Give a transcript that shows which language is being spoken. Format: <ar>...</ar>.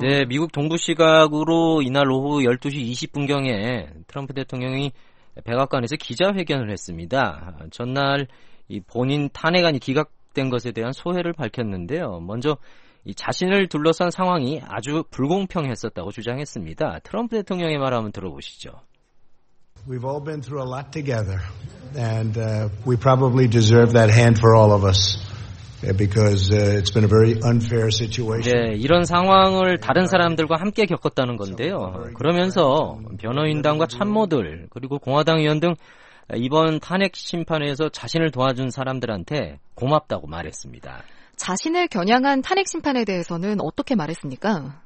<ko>네, 미국 동부 시각으로 이날 오후 12시 20분경에 트럼프 대통령이 백악관에서 기자회견을 했습니다. 전날 이 본인 탄핵안이 기각된 것에 대한 소회를 밝혔는데요. 먼저 이 자신을 둘러싼 상황이 아주 불공평했었다고 주장했습니다. 트럼프 대통령의 말 한번 들어보시죠.</ko> <en>We've all been through a lot together and we probably deserve that hand for all of us because it's been a very unfair situation.</en> <ko>네, 이런 상황을 다른 사람들과 함께 겪었다는 건데요. 그러면서 변호인단과 참모들 그리고 공화당 의원 등 이번 탄핵 심판에서 자신을 도와준 사람들한테 고맙다고 말했습니다. 자신을 겨냥한 탄핵 심판에 대해서는 어떻게 말했습니까?</ko>